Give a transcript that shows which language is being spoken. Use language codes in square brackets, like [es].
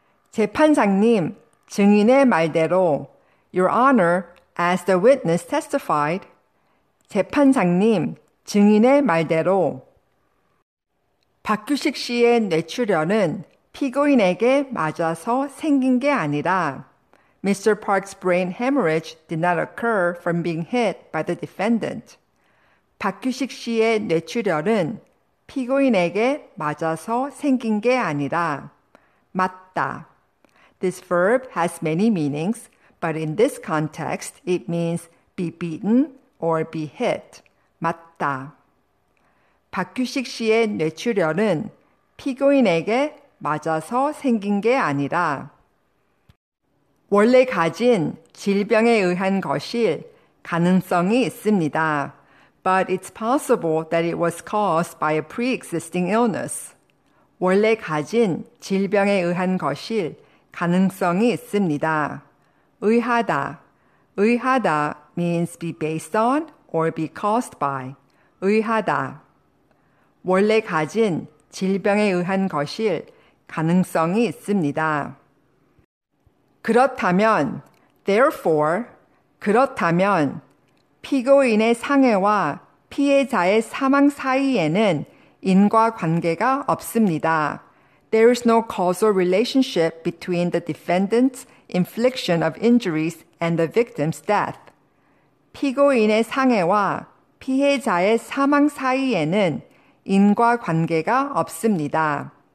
[ko] 재판장님, 증인의 말대로. [en] Your Honor, as the witness testified. [ko] 재판장님, 증인의 말대로. 박규식 씨의 뇌출혈은 피고인에게 맞아서 생긴 게 아니라 [en] Mr. Park's brain hemorrhage did not occur from being hit by the defendant. [ko] 박규식 씨의 뇌출혈은 피고인에게 맞아서 생긴 게 아니라 맞다. [en] This verb has many meanings, but in this context, it means be beaten or be hit. [ko] 맞다. 박규식 씨의 뇌출혈은 피고인에게 맞아서 생긴 게 아니라 원래 가진 질병에 의한 것일 가능성이 있습니다. [en] But it's possible that it was caused by a pre-existing illness. [ko] 원래 가진 질병에 의한 것일 가능성이 있습니다. 의하다. [en] 의하다 means be based on or be caused by. [ko] 의하다. 원래 가진 질병에 의한 것일 가능성이 있습니다. 그렇다면, therefore, 그렇다면 피고인의 상해와 피해자의 사망 사이에는 인과관계가 없습니다. [en] There is no causal relationship between the defendant's infliction of injuries and the victim's death. [ko] 피고인의 상해와 피해자의 사망 사이에는 인과관계가 없습니다.